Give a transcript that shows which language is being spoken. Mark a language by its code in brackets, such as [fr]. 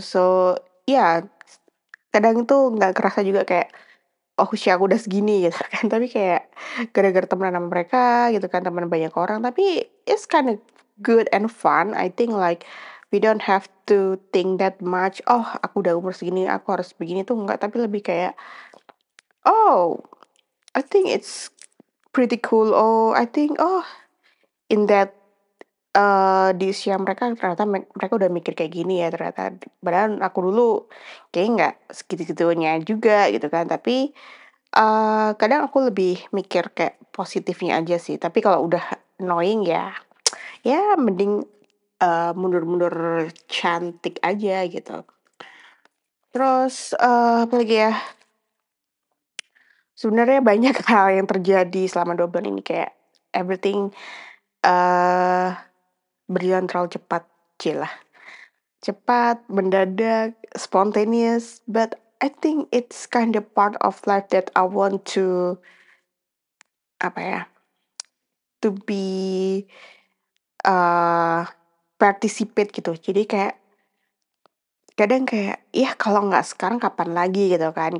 [en] So yeah, [id] kadang tuh gak kerasa juga kayak, oh usia aku udah segini gitu kan. Tapi kayak gara-gara temenan sama mereka gitu kan, teman banyak orang. [en] Tapi it's kind of good and fun. I think like we don't have to think that much. [id] Oh, aku udah umur segini, aku harus begini tuh enggak. Tapi lebih kayak, [en] oh, I think it's pretty cool. [id] Oh, [en] I think, oh, in that [id] di usia mereka ternyata mereka udah mikir kayak gini ya ternyata. Padahal aku dulu kayak enggak segitu-gitunya juga gitu kan. Tapi kadang aku lebih mikir kayak positifnya aja sih. Tapi kalau udah annoying ya, ya mending mundur-mundur cantik aja gitu. Terus apa lagi ya? Sebenarnya banyak hal yang terjadi selama 2 bulan ini, kayak everything berjalan terlalu cepat, jelas. Cepat, mendadak, [en] spontaneous, but I think it's kind of part of life that I want to to be participate gitu. [id] Jadi kayak kadang kayak ya kalau nggak sekarang kapan lagi gitu kan.